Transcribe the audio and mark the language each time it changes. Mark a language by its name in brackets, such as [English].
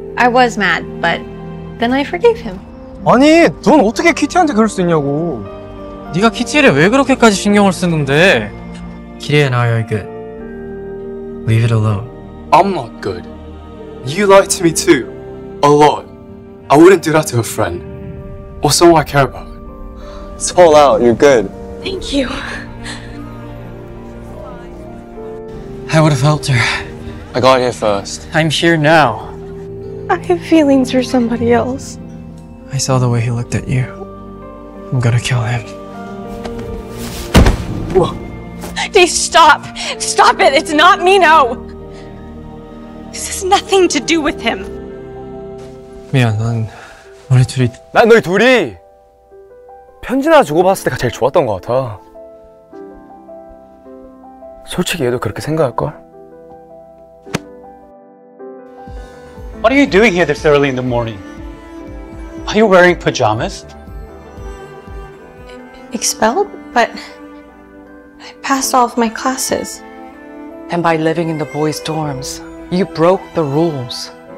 [English] I was mad, but then I forgave him. [Korean] 아니, 넌 어떻게 키티한테 그럴 수 있냐고. 네가 키티를 왜 그렇게까지 신경을 쓰는데? [English] Kitty and I are good. Leave it alone. I'm not good. You lied to me too. A lot. I wouldn't do that to a friend. Or someone I care about. It's all out. You're good. Thank you. I would have helped her. I got here first. I'm here now. I have feelings for somebody else. I saw the way he looked at you. I'm gonna kill him. Dee, stop! Stop it! It's not me, no! This has nothing to do with him. [Korean] 미안, 난 우리 둘이... 난 너희 둘이 편지나 주고받았을 때가 제일 좋았던 것 같아. 솔직히 얘도 그렇게 생각할걸? [English] What are you doing here this early in the morning? Are you wearing pajamas? Expelled? But I passed all of my classes. And by living in the boys' dorms, you broke the rules.